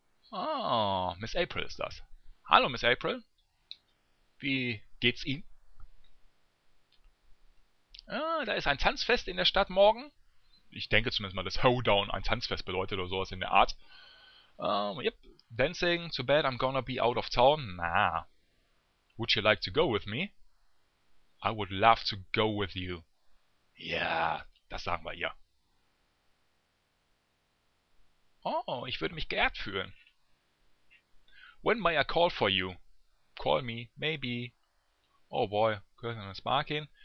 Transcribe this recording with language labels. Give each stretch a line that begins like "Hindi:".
German: Oh, Miss April ist das. Hallo, Miss April. Wie geht's Ihnen? Ah, da ist ein Tanzfest in der Stadt morgen. Ich denke zumindest mal, dass Hoedown ein Tanzfest bedeutet oder sowas in der Art.
English: Yep. Dancing, too bad I'm gonna be out of town. Nah. Would you like to go with me? I would love to go with you.
German: Ja, das sagen wir ihr. Oh, ich würde mich geehrt fühlen.
English: When may I call for you? Call me, maybe. Oh boy,
German: gehört an das Markin.